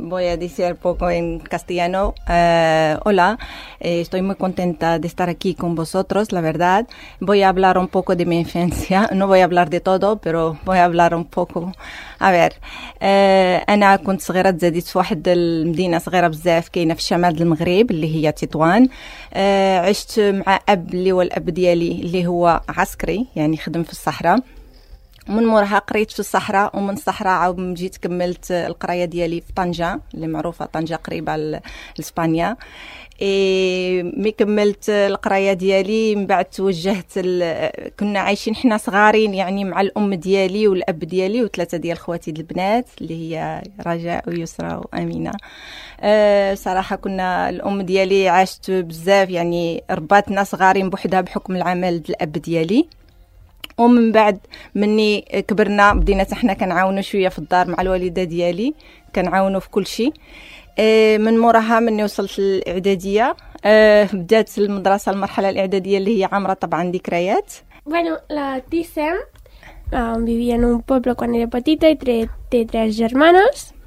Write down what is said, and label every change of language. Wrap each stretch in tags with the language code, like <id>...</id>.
<es>Voy a decir poco en castellano. Hola, estoy muy contenta de estar aquí con vosotros, la verdad. Voy a hablar un poco de mi infancia. No voy a hablar de todo, pero voy a hablar un poco. A ver,</es> <ar>انا كنت صغيره تزاديت في واحد المدينه صغيره بزاف كاينه في شمال المغرب اللي هي تطوان. عشت مع اب اللي هو الاب ديالي اللي هو عسكري يعني خدم في الصحراء. من مورها قريت في الصحراء ومن الصحراء عاود جيت كملت القرايه ديالي في طنجه اللي معروفه طنجه قريبه لاسبانيا. اي مي كملت القرايه ديالي من بعد توجهت كنا عايشين حنا صغارين يعني مع الام ديالي والاب ديالي وثلاثه ديال خواتي البنات اللي هي رجاء ويسرى وامينه. صراحه كنا الام ديالي عاشت بزاف يعني رباتنا صغارين بوحدها بحكم العمل ديال الاب ديالي. ومن بعد مني كبرنا بدينا احنا كنعاونوا شويه في الدار مع الوالده ديالي كنعاونوا في كل شيء. من مورها مني وصلت للاعداديه بدات المدرسه المرحله الاعداديه اللي هي عامره طبعا ذكريات.</ar> <es>Bueno, la Tisem vivía en un pueblo cuando era petita y tres hermanos.</es>